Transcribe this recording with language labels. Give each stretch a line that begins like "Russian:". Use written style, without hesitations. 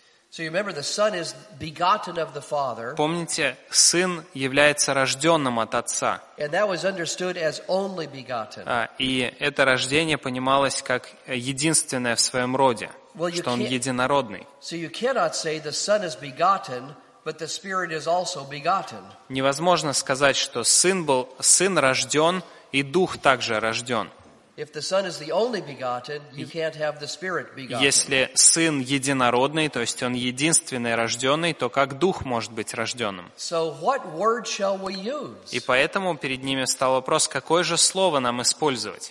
English: So you remember, the Son is begotten of the Father.
Russian: Помните, Сын является рожденным от Отца.
English: And that was understood as only begotten.
Russian: И это рождение понималось как единственное в своем роде, что Он единородный.
English: So you cannot say the Son is begotten, but the Spirit is also begotten.
Russian: Невозможно сказать, что Сын рожден, и Дух также рожден.
English: If the Son is the only begotten, you can't have the Spirit begotten.
Russian: Если Сын единородный, то есть Он единственный рожденный, то как Дух может быть рожденным?
English: So what word shall we use?
Russian: И поэтому перед ними встал вопрос, какое же слово нам использовать?